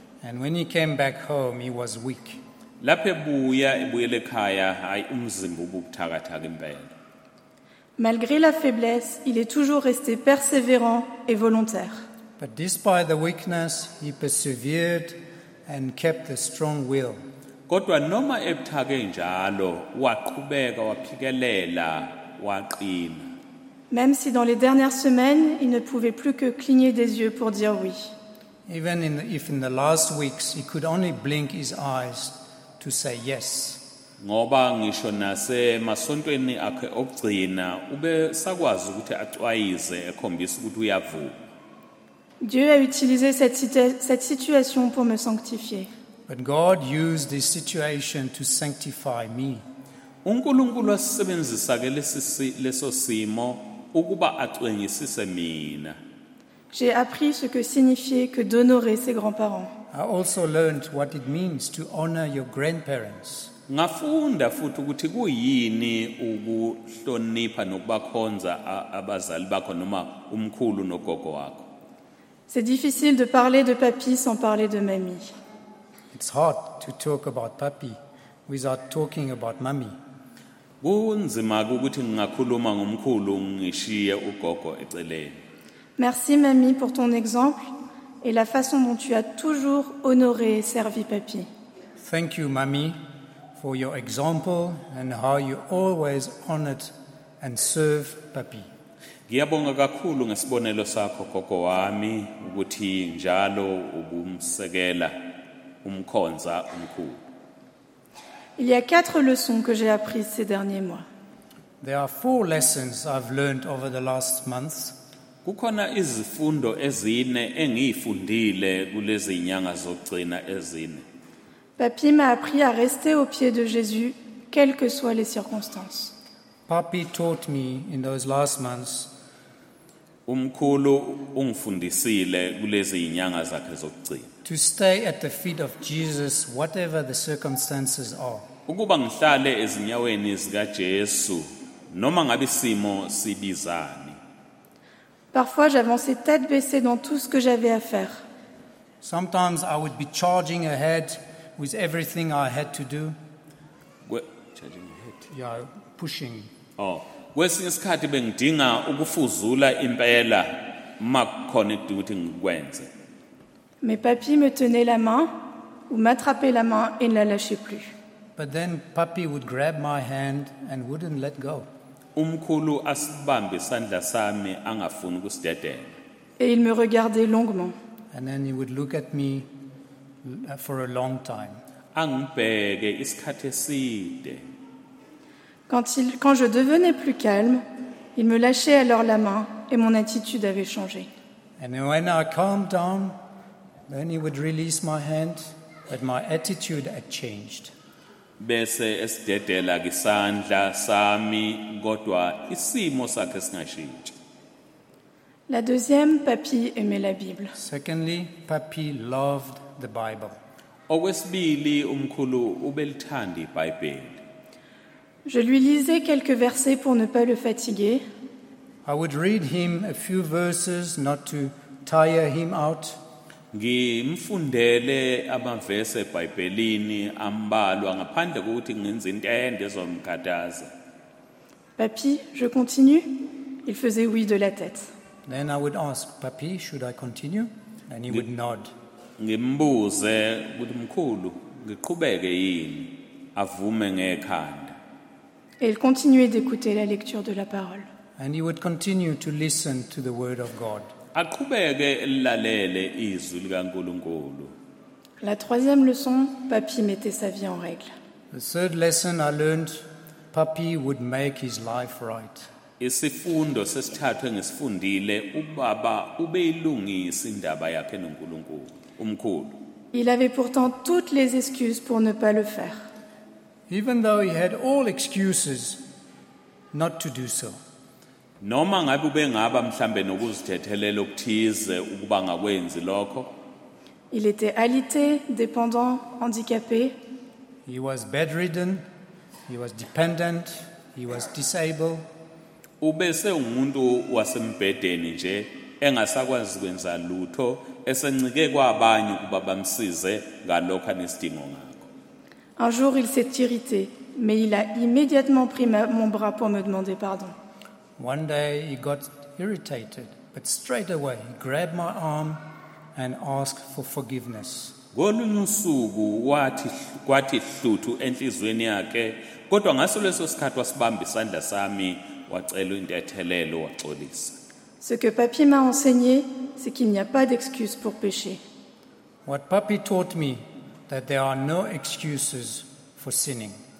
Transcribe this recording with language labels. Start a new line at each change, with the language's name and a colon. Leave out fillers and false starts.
English: And when he came back home, he was weak.
French: Malgré la faiblesse, il est toujours resté persévérant et volontaire.
English: But despite the weakness, he persevered and kept the strong will.
Zulu: Kodwa noma ebuthake njalo waqhubeka waphikelela waqina.
French: Même si dans les dernières semaines, il ne pouvait plus que cligner des yeux pour dire oui.
English: Even in the last weeks, he could only blink his eyes to say yes.
Zulu: Ngoba ngisho nase masontweni akhe okugcina ube sakwazi ukuthi acwayize ekhombisa ukuthi uyavuka.
French: Dieu a utilisé cette situation pour me sanctifier.
English: But God used this situation to sanctify me.
Zulu: UNkulunkulu wasisebenzisa ke leso simo ukuba acwengisise mina.
French: J'ai appris ce que signifiait que d'honorer ses grands-parents.
English: I also learned what it means to honor your grandparents.
Zulu: Ngafunda futhi ukuthi kuyini ukuhlonipha nokubakhonza abazali bakho noma umkhulu nogogo wakho.
French: C'est difficile de parler de papi sans parler de mamie.
English: It's hard to talk about papi without talking about mommy.
Zulu: Kunzima ukuthi ngingakhuluma ngomkhulu ngishiye ugogo eceleni.
French: Merci mamie pour ton exemple et la façon dont tu as toujours honoré et servi papi.
English: Thank you mamie for your example and how you always honored and served papi.
Zulu: Ngiyabonga kakhulu ngesibonelo sakho gogo wami ukuthi njalo ubumsekela umkhonza umkhulu.
French: Il y a quatre leçons que j'ai apprises ces derniers mois.
English: There are four lessons I've learned over the last months.
Zulu: Kukhona izifundo ezine engiyifundile kulezi nyanga zokugcina ezine.
French: Papi m'a appris à rester au pied de Jésus, quelles que soient les circonstances.
English: Papi taught me in those last months.
Zulu: Umkhulu ungifundisile kulezi nyanga zakhe zokugcina.
English: To stay at the feet of Jesus, whatever the circumstances are.
Zulu: Ukuba ngihlale ezinyaweni zika Jesu, noma ngabe isimo sibizani.
French: Parfois j'avançais tête baissée dans tout ce que j'avais à faire.
English: Sometimes I would be charging ahead with everything I had to do. Charging ahead. Yeah, pushing.
Zulu: Oh, kwesinye isikhathi bengidinga ukufuzula impela makukhona ukuthi ngikwenze.
French: Mais papi me tenait la main ou m'attrapait la main et ne la lâchait plus.
English: But then papi would grab my hand and wouldn't let go.
Zulu: Umkhulu asibambe isandla sami angafuni kusidedela.
French: Et il me regardait longuement.
English: And then he would look at me for a long time.
Zulu: Angibheke isikhathi eside.
French: Quand je devenais plus calme, il me lâchait alors la main et mon attitude avait changé.
English: And when I calmed down, then he would release my hand, but my attitude had changed.
Zulu: Bese esidedela isandla sami kodwa isimo sakhe singashintshi.
French: La deuxième, papi aimait la Bible.
English: Secondly, papi loved the Bible.
Zulu: Okwesibili umkhulu ubelithanda iBhayibheli.
French: Je lui lisais quelques versets pour ne pas le fatiguer.
English: I would read him a few verses not to tire him out.
Zulu: Ngimfundele amavese eBhayibhelini ambalwa ngaphandle kokuthi nginze into ende ezomkhathaza.
French: Papi, je continue? Il faisait oui de la tête.
English: Then I would ask, Papi, should I continue? And he would nod.
Zulu: Ngimbuze ukuthi mkhulu, ngiqhubeke yini? Avume ngekhanda.
French: Et il continuait d'écouter la lecture de la parole.
English: And he would continue to listen to the word of God.
Zulu: Aqhubeke lalele izwi likaNkulunkulu.
French: La troisième leçon, papi mettait sa vie en règle.
English: The third lesson I learned, papi would make his life right.
Zulu: Isifundo sesithathu engisifundile, ubaba ubeyilungisa indaba yakhe noNkulunkulu, umkhulu.
French: Il avait pourtant toutes les excuses pour ne pas le faire.
English: Even though he had all excuses not to do so.
Zulu: Noma ngabe ubengaba mhlambe nokuzithethelela ukuthize ukuba ngakwenzi lokho.
French: Il était alité, dépendant, handicapé.
English: He was bedridden, he was dependent, he was disabled.
Zulu: Ubese umuntu wasembedeni nje engasakwazi kwenza lutho esencike kwabanye ukuba bamsize ngalokho anesidingo ngakho.
French: Un jour il s'est irrité, mais il a immédiatement pris mon bras pour me demander pardon.
English: One day he got irritated, but straight away he grabbed my arm and asked for forgiveness.
Zulu: Ngolunye usuku kwathi hluthu enhlizweni yakhe, kodwa ngaso leso sikhathi wasibamba isandla sami wacela intethelelo waxolisa.
French: Ce que papi m'a enseigné, c'est qu'il n'y a pas d'excuse pour pécher.
English: What papi taught me that there are no excuses for sinning.